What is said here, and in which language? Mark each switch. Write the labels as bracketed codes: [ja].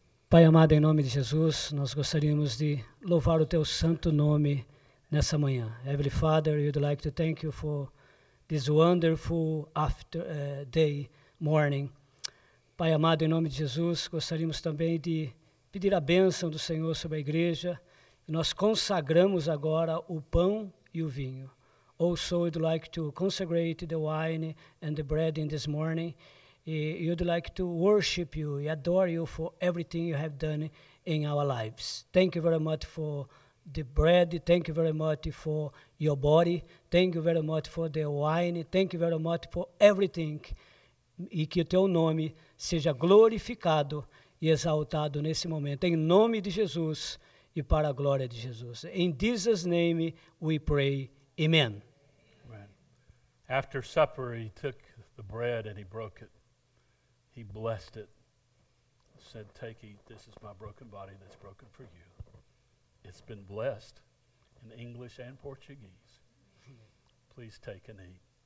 [pt] Pai amado, em nome de Jesus, nós gostaríamos de louvar o teu santo nome nessa manhã. [en] Heavenly Father, we'd like to thank you for this wonderful after day morning. [pt] Pai amado, em nome de Jesus, gostaríamos também de pedir a bênção do Senhor sobre a igreja. Nós consagramos agora o pão e o vinho. [en] Also, we'd like to consecrate the wine and the bread in this morning. We'd like to worship you, adore you for everything you have done in our lives. Thank you very much for the bread. Thank you very much for your body. Thank you very much for the wine. Thank you very much for everything. [pt] E que o teu nome seja glorificado e exaltado nesse momento. Em nome de Jesus e para a glória de Jesus. [en] In Jesus' name we pray. Amen. Amen. After supper, he took the bread and he broke it. He blessed it. Said, take, eat, this is my broken body that's broken for you. It's been blessed in English and Portuguese. Please take and eat.